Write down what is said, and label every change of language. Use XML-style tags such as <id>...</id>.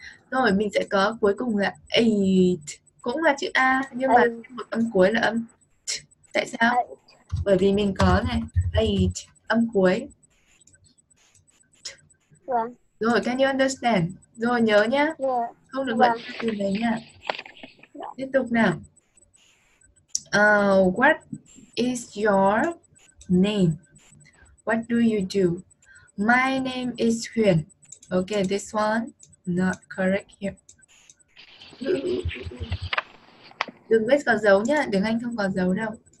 <vi>Rồi mình sẽ có cuối cùng là eight, cũng là chữ A nhưng mà một âm cuối là âm t. Tại sao? Bởi vì mình có này eight âm cuối. Rồi,</vi> <en>can you understand?</en> <vi>Rồi nhớ nhá. Không được bật từ này nha. Tiếp tục nào.</vi> <en>What is your name? What do you do? My name is Huyền. Okay, this one. Not correct here.</en> <vi>Đừng biết có dấu nhá, đừng anh không có dấu đâu.</vi>